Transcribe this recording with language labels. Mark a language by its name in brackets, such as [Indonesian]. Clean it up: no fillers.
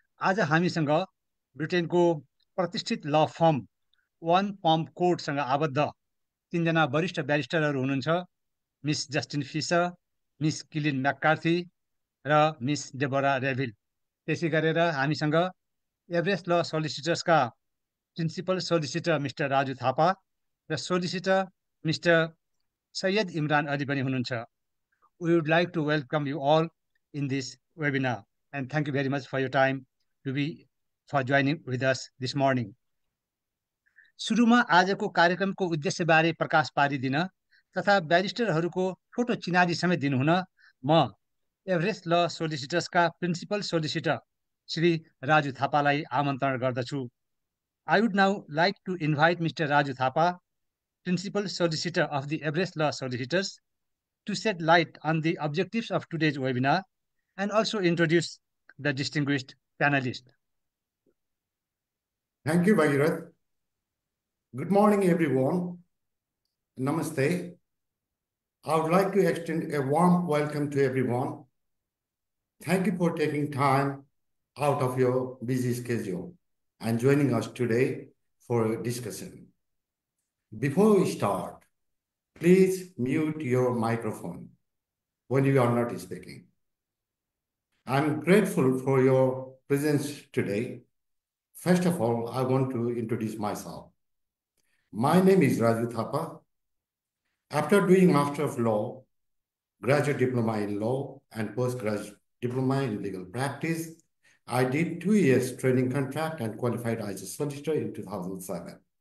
[Nepali] आज हामीसँग ब्रिटेनको प्रतिष्ठित ल फर्म वान पम्प कोर्टसँग आबद्ध तिनजना वरिष्ठ ब्यारिस्टरहरू हुनुहुन्छ, मिस जस्टिन फिसर, मिस किलिन म्याक्कार्थी र मिस डेबोरा रेभिल। त्यसै गरेर हामीसँग एभरेस्ट ल सोलिसिटर्सका principal solicitor mister Raju Thapa र सोलिसिटर मिस्टर सैयद इमरान अली पनि हुनुहुन्छ। [English] We would like to welcome you all in this webinar and thank you very much for your time to be for joining with us this morning. [Nepali] सुरुमा आजको कार्यक्रमको उद्देश्यबारे प्रकाश पारिदिन तथा ब्यारिस्टरहरूको छोटो चिनारी समेत दिनुहुन म एभरेस्ट ल सोलिसिटर्सका प्रिन्सिपल सोलिसिटर श्री राजु थापालाई आमन्त्रण गर्दछु। [English] I would now like to invite mister Raju Thapa, principal solicitor of the Everest law solicitors, to shed light on the objectives of today's webinar and also introduce the distinguished panelist. Thank you Bhagirath. Good morning everyone, नमस्ते। I would like to extend a warm welcome to everyone. Thank you for taking time out of your busy schedule and joining us today for discussion. Before you start, please mute your microphone when you are not speaking. I am grateful for your presence today. First of all, I want to introduce myself. My name is Raju Thapa. After doing Master of Law, Graduate Diploma in Law, and Postgraduate Diploma in Legal Practice, I did 2 years training contract and qualified as a solicitor in 2007.